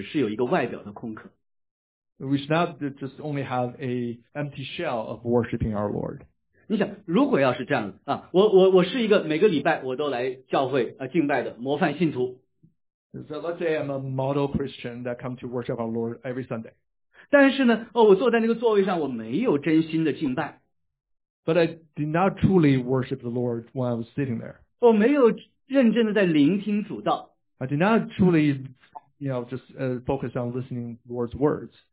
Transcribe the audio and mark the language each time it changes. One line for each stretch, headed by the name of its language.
Chinese: 而我们守主日也绝不是只是有一个外表的空壳。
English: We should not just only have an empty shell of worshiping our Lord.
Chinese: 你想，如果要是这样，我是一个每个礼拜我都来教会敬拜的模范信徒。
English: So let's say I'm a model Christian that comes to worship our Lord every Sunday.
Chinese: 但是呢，我坐在那个座位上，我没有真心的敬拜。
English: But I did not truly worship the Lord when I was sitting there.
Chinese: 我没有认真的在聆听主道。
English: I did not truly, focus on listening to the Lord's words.